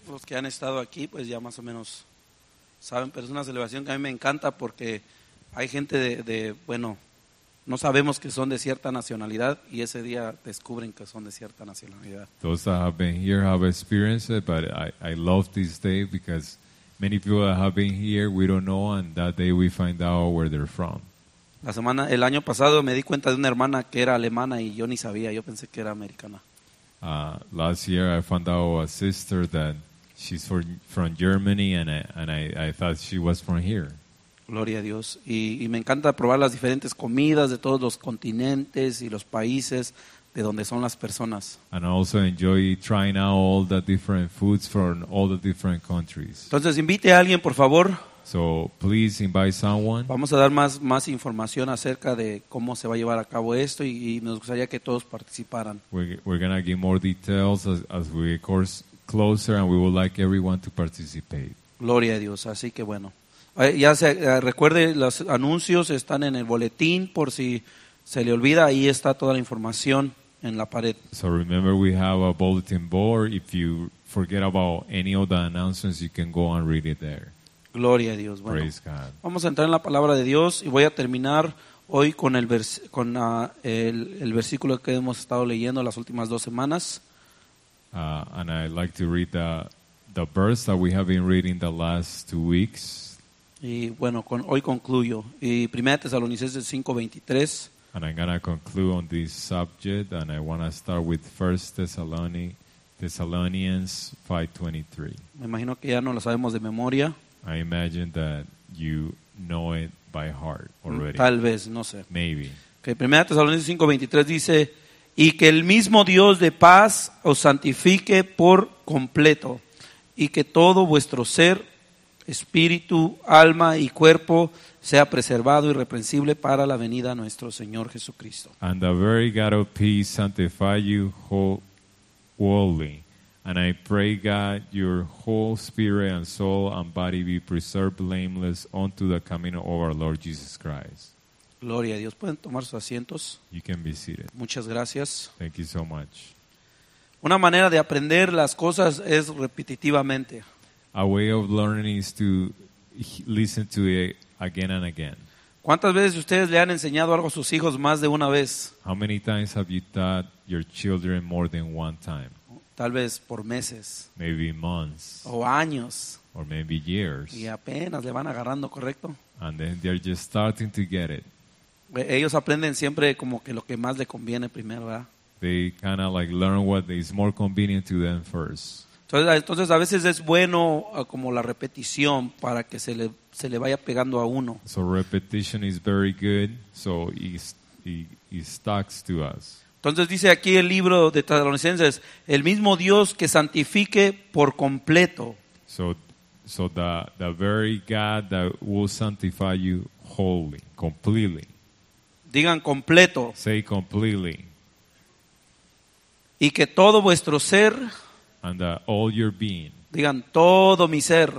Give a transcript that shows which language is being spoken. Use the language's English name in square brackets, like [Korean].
[Spanish] Los que han estado aquí, pues ya más o menos saben, pero es una celebración que a mí me encanta porque hay gente de, no sabemos que son de cierta nacionalidad y ese día descubren que son de cierta nacionalidad. [English] Those that have been here have experienced it, but I love this day because many people that have been here, we don't know, and that day we find out where they're from. [Spanish] La semana, el año pasado me di cuenta de una hermana que era alemana y yo ni sabía, yo pensé que era americana. [English] Last year I found out a sister that she's from Germany and I thought she was from here. [Spanish] Gloria a Dios. Y me encanta probar las diferentes comidas de todos los continentes y los países de donde son las personas. [English] And I also enjoy trying out all the different foods from all the different countries. [Spanish] Entonces invite a alguien, por favor. [English] So please invite someone. [Spanish] Vamos a dar más información acerca de cómo se va a llevar a cabo esto y nos gustaría que todos participaran. [English] We're going to give more details as we get closer and we would like everyone to participate. [Spanish] Gloria a Dios, así que bueno. Ya se recuerde, los anuncios están en el boletín por si se le olvida, ahí está toda la información en la pared. [English] So remember we have a bulletin board, if you forget about any of the announcements you can go and read it there. [Spanish] Gloria a Dios. Bueno, [English] praise God. [Spanish] Vamos a entrar en la palabra de Dios y voy a terminar hoy con el versículo que hemos estado leyendo las últimas dos semanas. [English] And I'd like to read the verse that we have been reading the last two weeks. [Spanish] Y bueno, hoy concluyo. Y Primera de Tesalonicenses 5:23. [English] And I'm going to conclude on this subject and I want to start with 1 Thessalonians 5:23. [Spanish] Me imagino que ya no lo sabemos de memoria. [English] I imagine that you know it by heart already. [Spanish] Tal vez, no sé. [English] Maybe. [Spanish] Okay, Primera de Tesalonicenses 5:23 dice, y que el mismo Dios de paz os santifique por completo y que todo vuestro ser, espíritu, alma y cuerpo sea preservado irreprensible para la venida de nuestro Señor Jesucristo. [English] And the very God of peace sanctify you wholly. And I pray God your whole spirit and soul and body be preserved blameless unto the coming of our Lord Jesus Christ. [Spanish] Gloria a Dios. Pueden tomar sus asientos. [English] You can be seated. [Spanish] Muchas gracias. [English] Thank you so much. [Spanish] Una manera de aprender las cosas es repetitivamente. [English] A way of learning is to listen to it again and again. [Spanish] ¿Cuántas veces ustedes le han enseñado algo a sus hijos más de una vez? [English] How many times have you taught your children more than one time? [Spanish] Tal vez por meses. [English] Maybe months. [Spanish] O años. [English] Or maybe years. [Spanish] Y apenas le van agarrando, ¿correcto? [English] And then they're just starting to get it. [Spanish] Ellos aprenden siempre como que lo que más le conviene primero, ¿verdad? [English] They kind of like learn what is more convenient to them first. [Spanish] Entonces a veces es bueno como la repetición para que se le vaya pegando a uno. [English] So repetition is very good, so it stucks to us. [Spanish] Entonces dice aquí el libro de Tesalonicenses, el mismo Dios que santifique por completo. [English] So the very God that will sanctify you wholly, completely. [Spanish] Digan completo. [English] Say completely. [Spanish] Y que todo vuestro ser. [English] And all your being. [Spanish] Digan todo mi ser.